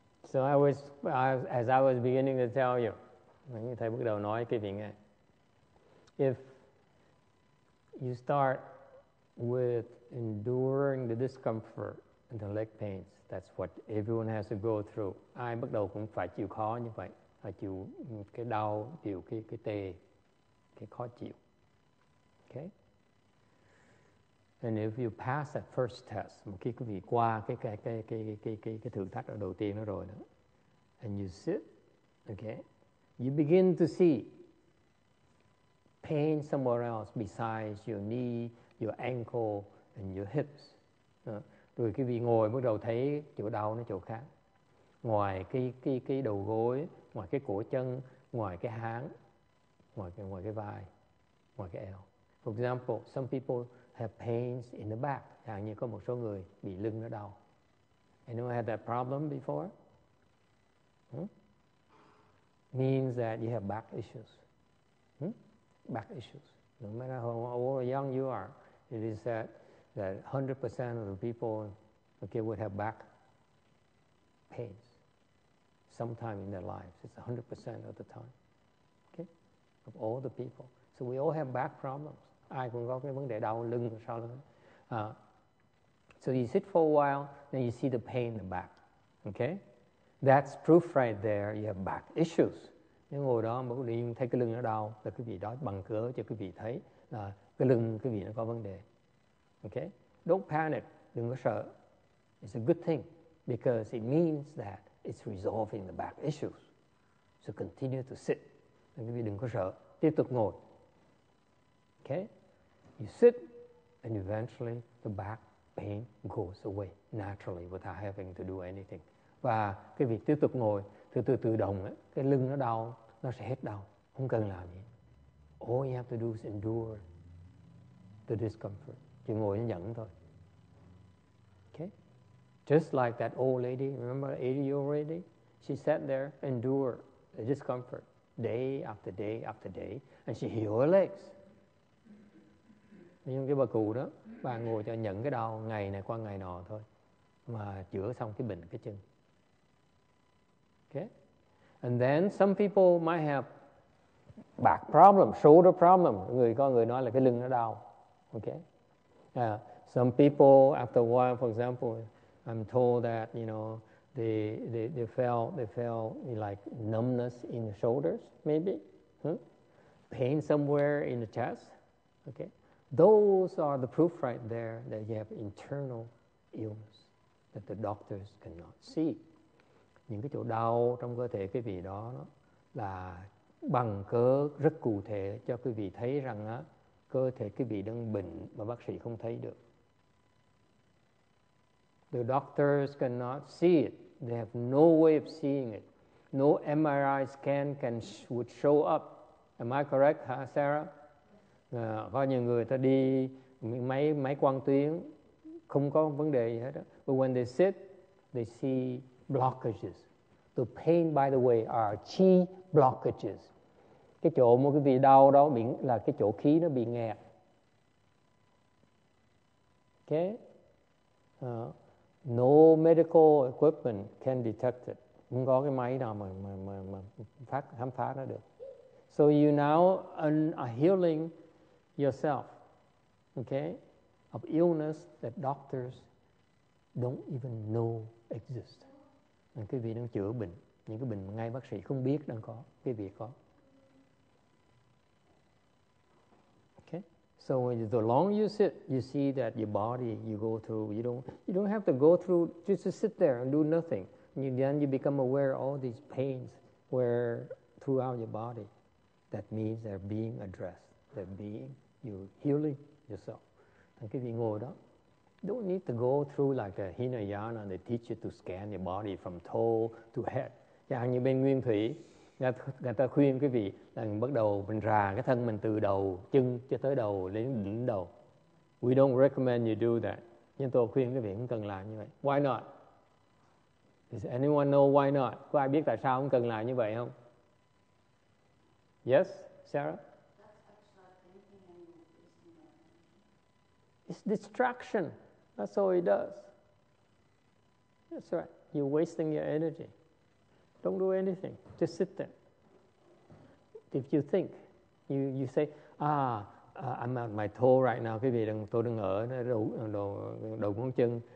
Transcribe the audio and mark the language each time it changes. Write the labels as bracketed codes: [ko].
[en] So I was beginning to tell you, [vi] thầy bắt đầu nói cái chuyện này. [en] If you start with enduring the discomfort and the leg pains, that's what everyone has to go through. [vi] Ai bắt đầu cũng phải chịu khó như vậy, phải chịu cái đau, chịu cái tê, cái khó chịu. Okay. [en] And if you pass that first test, [vi] một khi quý vị qua cái thử thách đầu tiên đó rồi đó. [en] And you sit, okay? You begin to see pain somewhere else besides your knee, your ankle, and your hips. [vi] Rồi quý vị ngồi bắt đầu thấy chỗ đau nó chỗ khác. Ngoài cái đầu gối, ngoài cái cổ chân, ngoài cái háng, ngoài cái vai, ngoài cái eo. [en] For example, some people have pains in the back. [vi] Hẳn như có một số người bị lưng nó đau. [en] Anyone had that problem before? Means that you have back issues. Back issues. No matter how old or young you are, it is said that 100% of the people, okay, would have back pains sometime in their lives. It's 100% of the time, okay, of all the people. So we all have back problems. [vi] Ai cũng có cái vấn đề đau lưng sau lưng. [en] So you sit for a while, then you see the pain in the back, okay? That's proof right there. You have back issues. [vi] Nếu ngồi đó mà quý vị thấy cái lưng nó đau, là quý vị đó bằng cớ cho quý vị thấy là cái lưng quý vị nó có vấn đề. [en] Okay? Don't panic. [vi] Đừng có sợ. [en] It's a good thing because it means that it's resolving the back issues. So continue to sit. [vi] Quý vị đừng có sợ. Tiếp tục ngồi. Okay? [en] You sit and eventually the back pain goes away naturally without having to do anything. [vi] Và cái việc tiếp tục ngồi, từ từ tự động, ấy, cái lưng nó đau, nó sẽ hết đau. Không cần làm gì. [en] All you have to do is endure the discomfort. [vi] Chỉ ngồi nó nhẫn thôi. [en] Okay? Just like that old lady, remember 80-year-old lady? She sat there, endure the discomfort day after day after day, and she healed her legs. [vi] Nhưng cái bà cụ đó, bà ngồi cho nhẫn cái đau ngày này qua ngày nọ thôi, mà chữa xong cái bệnh cái chân. [en] Okay? And then some people might have back problem, shoulder problem. [vi] Người có người nói là cái lưng nó đau. [en] Okay? Some people after a while, for example, I'm told that, you know, they felt like numbness in the shoulders, maybe. Pain somewhere in the chest. Okay? Those are the proof right there that you have internal illness that the doctors cannot see. [vi] Những cái chỗ đau trong cơ thể quý vị đó là bằng cớ rất cụ thể cho quý vị thấy rằng á, cơ thể quý vị đang bệnh mà bác sĩ không thấy được. [en] The doctors cannot see it. They have no way of seeing it. No MRI scan would show up. Am I correct, huh, Sarah? [vi] Có nhiều người ta đi máy quang tuyến không có vấn đề gì hết. [en] But when they sit, they see blockages. The pain, by the way, are chi blockages. [vi] Cái chỗ mà quý vị đau đó là cái chỗ khí nó bị nghẹt. [en] Okay? No medical equipment can detect it. [vi] Không có cái máy nào mà phát khám phá nó được. [en] So you now are healing yourself, okay, of illness that doctors don't even know exist. [vi] Quý vị đang chữa bệnh, những cái bệnh ngay bác sĩ không biết đang có, quý vị có. [en] Okay, so the longer you sit, you see that your body, you go through, you don't have to go through, just to sit there and do nothing. Then you become aware of all these pains where throughout your body. That means they're being addressed, they're being, you're healing yourself. And [vi] quý vị ngồi đó. [en] Don't need to go through like a Hinayana and they teach you to scan your body from toe to head. [vi] Chẳng như bên Nguyên Thủy, người ta khuyên quý vị là bắt đầu mình rà cái thân mình từ đầu chân cho tới đầu, đến đỉnh đầu. [en] We don't recommend you do that. [vi] Nhưng tôi khuyên quý vị không cần làm như vậy. [en] Why not? Does anyone know why not? [vi] Có ai biết tại sao không cần làm như vậy không? [en] Yes, Sarah? It's distraction. That's all it does. That's right. You're wasting your energy. Don't do anything. Just sit there. If you think, you say, ah, I'm at my toe right now. [vi] Quý vị, tôi đang ở đầu ngón chân.